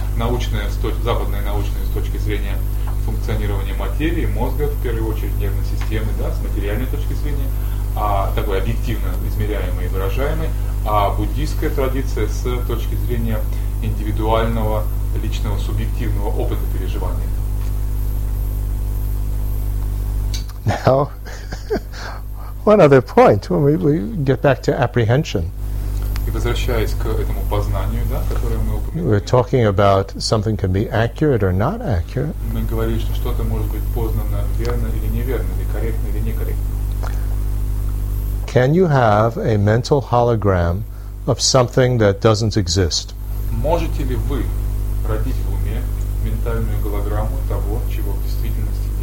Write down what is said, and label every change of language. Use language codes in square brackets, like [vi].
[ru] Научная, западная научная с точки зрения функционирования материи, мозга, в первую очередь нервной системы, да, с материальной точки зрения, такой объективно измеряемой и выражаемой, а буддийская традиция с точки зрения индивидуального, личного, субъективного опыта переживания. [en] Now, one other point, when we get back to apprehension. [ru] И возвращаясь к этому познанию, да, которое мы упомянули. [en] We're talking about something can be accurate or not accurate. [ru] Мы говорили, что что-то может быть познано верно или неверно, или корректно или некорректно. [en] Can you have a mental hologram of something that doesn't exist? [ru] Можете ли вы родить в уме ментальную голограмму того, чего в действительности?